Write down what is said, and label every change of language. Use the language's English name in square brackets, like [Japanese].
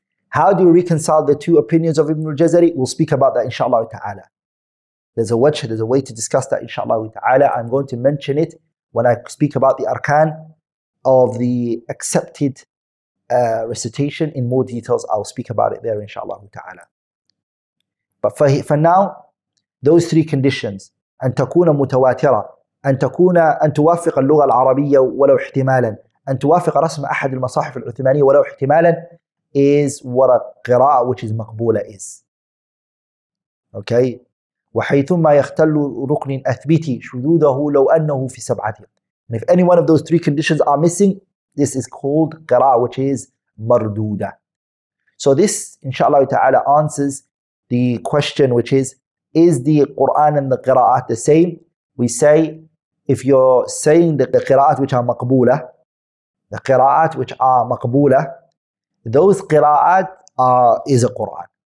[English] How do you reconcile the two opinions of Ibn al-Jazari? We'll speak about that inshallah ta'ala. There's a way to discuss that inshallah ta'ala. I'm going to mention it when I speak about the arkan of the accepted recitation in more details. I'll speak about it there inshallah ta'ala. But for now, those three conditions, [Arabic] أن تكون متواترة, أن تكون أن توافق اللغة العربية ولو احتمالا, أن توافق رسم أحد المصاحف العثمانية ولو احتمالا, [English] is what a [Arabic] قراءة [English] which is [Arabic] مقبولة is. [English] Okay. [Arabic] وحيثما يختل ركن أثبتي شذوذه لو أنه في سبعة. [English] And if any one of those three conditions are missing, this is called قراءة which is مردودة. So this, inshallah ta'ala, answers the question which is the Qur'an and the Qira'at the same? We say, if you're saying that the Qira'at which are maqboola, the Qira'at which are maqboola, those Qira'at is a Qur'an.